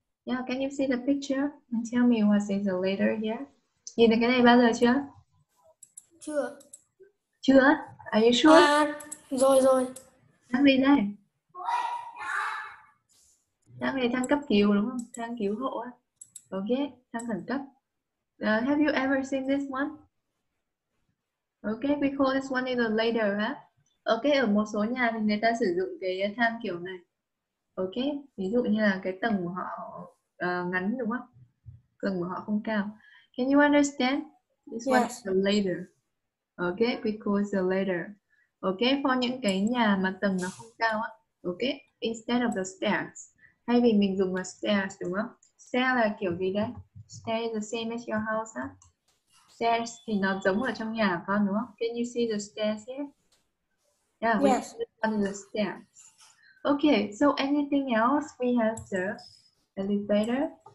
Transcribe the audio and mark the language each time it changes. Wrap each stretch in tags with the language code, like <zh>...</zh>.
<en>Yeah, can you see the picture and tell me what is the ladder here?</en> <vi>Nhìn thấy cái này bao giờ chưa? Chưa. Chưa?</vi> <en>Are you sure?</en> <vi>Rồi rồi. Thang gì đây? Thang này thang cấp cứu đúng không? Thang cứu hộ.</vi> <en>Okay,</en> <vi>thang khẩn cấp.</vi> <en>Have you ever seen this one? Okay, we call this one in the ladder, huh?</en> <vi>Okay, ở một số nhà thì người ta sử dụng cái thang kiểu này. Okay, ví dụ như là cái tầng của họ ngắn đúng không? Tầng của họ không cao.</vi> <en>Can you understand? This one is the ladder. Okay, we call it the ladder. Okay, for</en> <vi>những cái nhà mà tầng nó không cao á,</vi> <en>Ok, instead of the stairs.</en> <vi>Thay vì mình dùng là stairs đúng không? Stair là kiểu gì đấy?</vi> <en>Stair is the same as your house huh?</en> <vi>Stairs thì nó giống ở trong nhà con đúng không?</vi> <en>Can you see the stairs here? Yeah, we yes. On the stairs. Okay, so anything else we have the elevator?</en>